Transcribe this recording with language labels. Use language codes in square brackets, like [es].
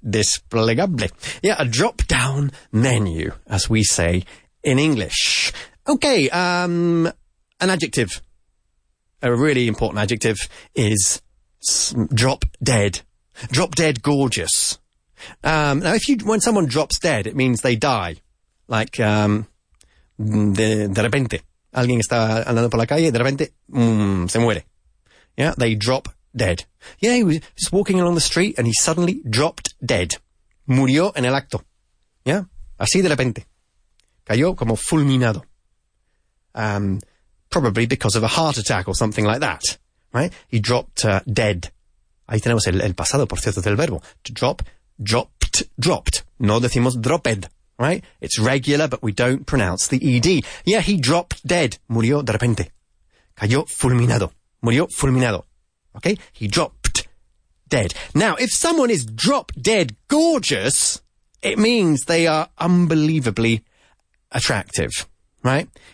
[en] Desplegable. Yeah, a drop down menu, as we say in English. Okay, an adjective. A really important adjective is drop dead. Drop dead gorgeous. Now, when someone drops dead, it means they die. [es] Like, de repente. Alguien está andando por la calle, de repente, se muere. [en] Yeah, they drop dead. Yeah, he was just walking along the street and he suddenly dropped dead. [es] Murió en el acto. Yeah, así de repente. Cayó como fulminado. [en] Probably because of a heart attack or something like that. Right? He dropped dead. [es] Ahí tenemos el pasado, por cierto, del verbo. [en] To drop, dropped, dropped. [es] No decimos [en] dropped. Right? It's regular, but we don't pronounce the ED. Yeah, he dropped dead. [es] Murió de repente. Cayó fulminado. Murió fulminado. Okay? [en] He dropped dead. Now, if someone is drop dead gorgeous, it means they are unbelievably attractive. Right?